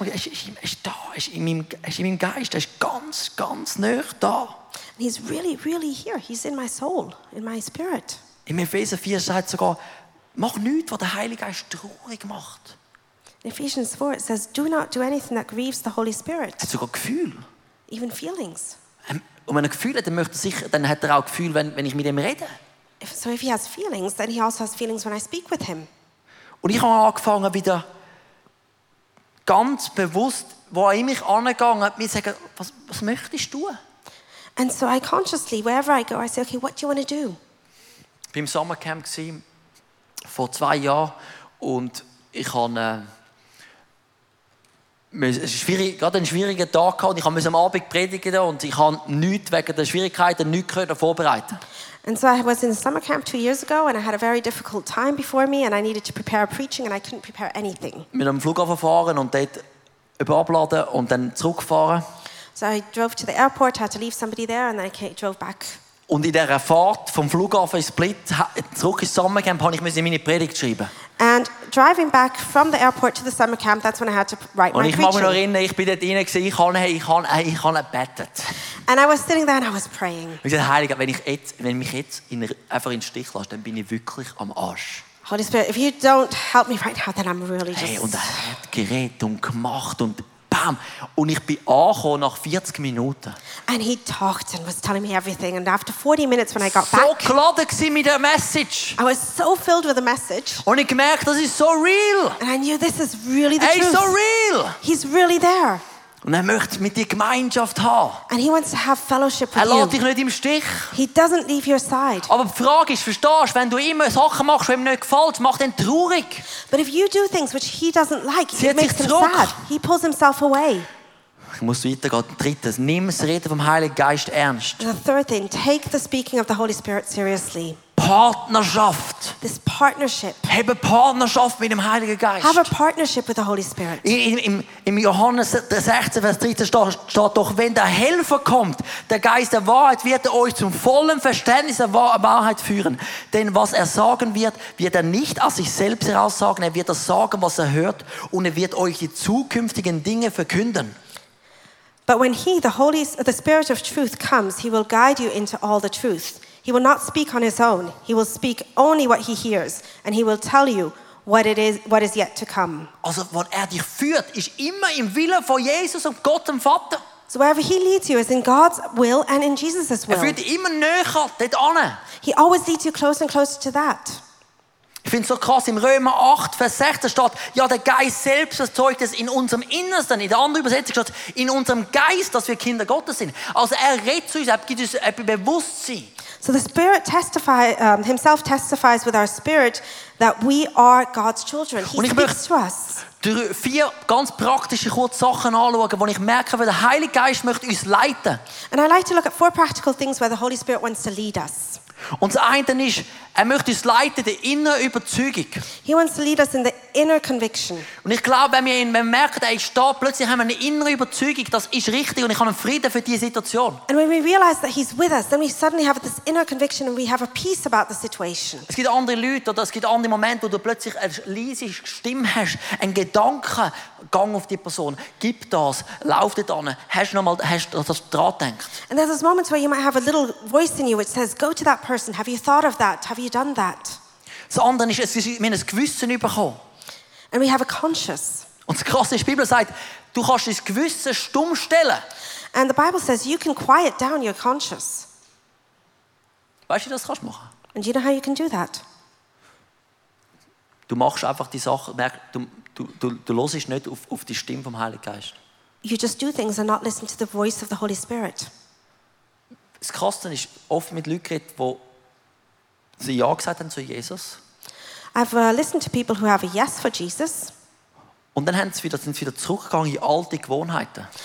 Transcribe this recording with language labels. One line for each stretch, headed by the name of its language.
German: Er ist in meinem Geist. Er ist ganz, ganz nah da.
English: And he's really, really here. He's in my soul, in my spirit.
German: In Epheser 4 sagt sogar, mach nichts, was der Heilige Geist traurig macht.
English: In Ephesians 4 it says, do not do anything that grieves the Holy Spirit.
German: Er hat sogar Gefühl.
English: Even feelings.
German: Und wenn er Gefühl hat, dann hat er auch Gefühl, wenn ich mit ihm rede.
English: So if he has feelings, then he also has feelings when I speak with him.
German: Und ich habe angefangen, wieder ganz bewusst, wo er in mich angegangen hat, mir zu sagen, was möchtest du?
English: And so I consciously, wherever I go, I say, okay, what do you want to do?
German: Ich war im Sommercamp vor 2 Jahren und ich habe gerade einen schwierigen Tag gehabt und ich musste am Abend predigen und ich habe nichts wegen der Schwierigkeiten nichts vorbereiten.
English: And so I was in a summer camp 2 years ago and I had a very difficult time before me and I needed to prepare a preaching and I couldn't prepare anything.
German: Mit einem Flughafen fahren und dort überladen und dann zurückfahren.
English: So I drove to the airport, had to leave somebody there and then I drove back.
German: Und in dieser Fahrt vom Flughafen in Split zurück ins Sommercamp musste ich meine Predigt schreiben.
English: And driving back from the airport to the summer camp, that's when I had to write
German: und
English: my preaching.
German: Und ich mag mich noch erinnern, ich bin dort rein, ich habe gebetet.
English: And I was sitting there and I was praying.
German: Ich sagte, Heiliger, wenn mich jetzt einfach in den Stich lasse, dann bin ich wirklich am Arsch.
English: Holy Spirit, if you don't help me right now, then I'm really just...
German: Hey, und er hat geredet und gemacht und bam. Und ich bin angekommen nach 40 Minuten.
English: And he talked and was telling me everything. And after 40 minutes when I got so back...
German: So geladen war mit der Message.
English: I was so filled with the message.
German: Und ich gemerkt, das ist so real.
English: And I knew this is really the truth.
German: Er ist so real.
English: He's really there.
German: Und er möchte mit dir Gemeinschaft haben.
English: And he wants to have fellowship with you.
German: Er lässt dich nicht im Stich.
English: He doesn't leave your side.
German: Aber die Frage ist, verstehst du, wenn du immer Sachen machst, die ihm nicht gefällt, macht ihn traurig.
English: But if you do things which he doesn't like, it makes him sad. He pulls himself away.
German: Ich muss weitergehen. Drittens, nimm das Reden vom Heiligen Geist ernst.
English: The third thing, take the speaking of the Holy Spirit seriously.
German: Partnerschaft.
English: This partnership.
German: Habe Partnerschaft mit dem Heiligen Geist.
English: Have a partnership with the Holy Spirit.
German: In Johannes 16, Vers 13 steht doch, wenn der Helfer kommt, der Geist der Wahrheit, wird er euch zum vollen Verständnis der Wahrheit führen. Denn was er sagen wird, wird er nicht aus sich selbst heraus sagen. Er wird das sagen, was er hört. Und er wird euch die zukünftigen Dinge verkünden.
English: But when he, the Spirit of truth, comes, he will guide you into all the truth. He will not speak on his own. He will speak only what he hears, and he will tell you what is yet to come.
German: Also, wo er dich führt, ist immer im Willen von Jesus und Gott dem Vater.
English: So wherever he leads you is in God's will and in Jesus' will.
German: Er führt dich immer näher, dort hin.
English: He always leads you closer and closer to that.
German: Ich finde es so krass, im Römer 8, Vers 16 steht, ja, der Geist selbst erzeugt es in unserem Innersten. In der anderen Übersetzung steht, in unserem Geist, dass wir Kinder Gottes sind. Also er redet zu uns, er gibt uns ein Bewusstsein.
English: So the Spirit himself testifies with our spirit that we are God's children. He speaks to us.
German: Durch vier ganz praktische kurze Sachen anschauen, wo ich merke, wie der Heilige Geist möchte uns leiten.
English: And I like to look at four practical things where the Holy Spirit wants to lead us.
German: Und das eine ist, er möchte uns leiten, die innere Überzeugung.
English: He wants to lead us in the inner conviction.
German: Und ich glaube, wenn wir merken, er ist da, plötzlich haben wir eine innere Überzeugung, das ist richtig und ich habe einen Frieden für diese Situation.
English: And when we realize that he's with us, then we suddenly have this inner conviction and we have a peace about the situation.
German: Es gibt andere Leute oder es gibt andere Momente, wo du plötzlich eine leise Stimme hast, einen Gedanken, gang auf die Person, gib das, lauf dort an, hast du das dran denkt.
English: And there's those moments where you might have a little voice in you which says, go to that person, have you thought of that? Have you done that?
German: Das andere ist, wir haben ein Gewissen bekommen.
English: And we have a conscience.
German: Und das Krasse ist, die Bibel sagt, du kannst dein Gewissen stumm stellen.
English: And the Bible says, you can quiet down your conscience.
German: Weißt du, wie du das kannst machen?
English: And you know how you can do that?
German: Du machst einfach die Sache, du hörst nicht auf die Stimme vom Heiligen Geist.
English: You just do things and not listen to the voice of the Holy Spirit.
German: Das Krasse ist, oft mit Leuten geredet, die sie ja gesagt haben zu Jesus.
English: I've listened to people who have a yes for Jesus.
German: Und dann sind sie wieder zurückgegangen in alte Gewohnheiten.